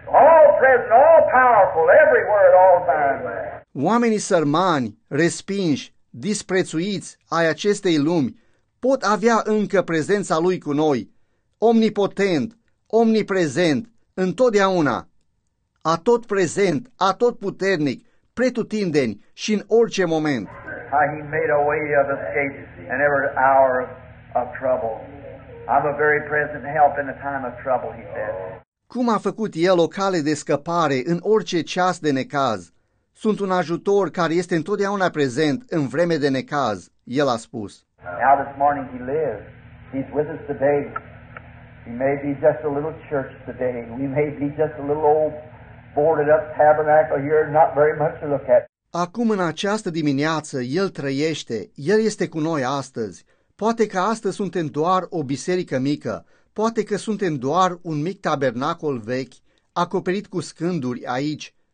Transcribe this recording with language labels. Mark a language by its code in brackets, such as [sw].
[en] All present, all powerful, everywhere at all times. [ro] Oamenii sărmani, respinși, disprețuiți ai acestei lumi pot avea încă prezența lui cu noi. Omnipotent, omniprezent, întotdeauna. Atot prezent, atot puternic, pretutindeni și în orice moment. [en] How he made a way of escape in every hour of trouble. I'm a very present help in a time of trouble, he said. [ro] Cum a făcut el o cale de scăpare în orice ceas de necaz? Sunt un ajutor care este întotdeauna prezent în vreme de necaz, el a spus. [en] Now this morning he lives. He's with us today. He may be just a little church today. We may be just a little old boarded up tabernacle here, not very much to look at. [ro] Acum în această dimineață el trăiește, el este cu noi astăzi. Poate că astăzi suntem doar o biserică mică, poate că suntem doar un mic tabernacol vechi, acoperit cu scânduri aici.